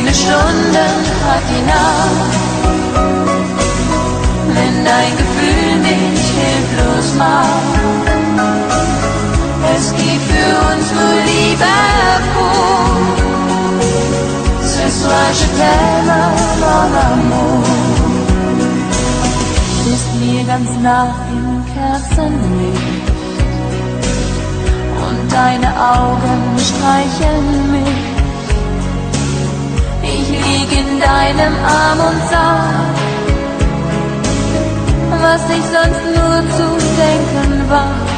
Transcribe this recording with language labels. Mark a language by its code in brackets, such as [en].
[de] Stunden hat die Nacht, wenn dein Gefühl dich hilflos macht. Es gibt für uns nur Liebe vor. [fr] Ce soir je t'aime, mon amour. [de] Du bist mir ganz nah im Kerzenlicht und deine Augen streicheln mich. Lieg in deinem Arm und sag, was ich sonst nur zu denken war.